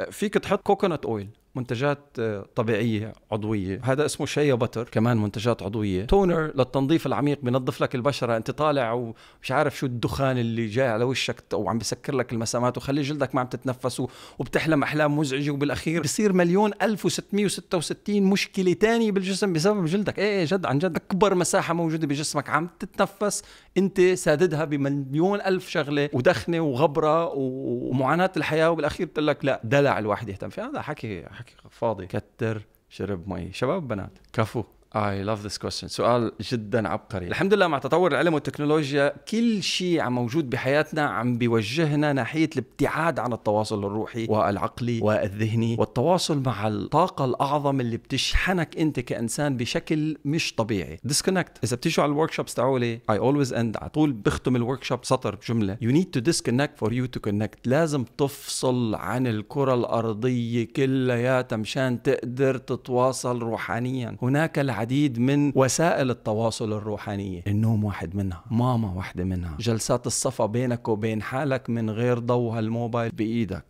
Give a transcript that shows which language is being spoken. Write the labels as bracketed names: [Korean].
[Arabic] فيك تحط كوكونات أويل، منتجات طبيعية عضوية، هذا اسمه شيا بتر، كمان منتجات عضوية، تونر للتنظيف العميق بنظف لك البشرة، أنت طالع ومش عارف شو الدخان اللي جاي على وشك وعم بسكر لك المسامات وخلي جلدك ما عم تتنفس وبتحلم أحلام مزعجة، وبالأخير بصير 1,666 مشكلة تانية بالجسم بسبب جلدك. إيه جد عن جد، أكبر مساحة موجودة بجسمك عم تتنفس أنت سادتها بمليون ألف شغلة ودخنة وغبرة ومعاناة الحياة، وبالأخير بتقول لك لا دلع الواحد يهتم في هذا. حكي فاضي، كتر شرب مي. شباب بنات كفو. [English] I love this question، [Arabic] سؤال جدا عبقري. الحمد لله مع تطور العلم والتكنولوجيا كل شيء عم موجود بحياتنا عم بيوجهنا ناحية الابتعاد عن التواصل الروحي والعقلي والذهني والتواصل مع الطاقة الأعظم اللي بتشحنك أنت كإنسان بشكل مش طبيعي. [English] disconnect. [Arabic] إذا بتيجوا على الworkshops تعولي [English] I always end، [Arabic] عطول بختم الworkshop سطر بجملة [English] you need to disconnect for you to connect. [Arabic] لازم تفصل عن الكرة الأرضية كلياتها مشان تقدر تتواصل روحانيا. هناك العديد من وسائل التواصل الروحانية، النوم واحد منها، ماما واحدة منها، جلسات الصفا بينك وبين حالك من غير ضوء هالموبايل بإيدك.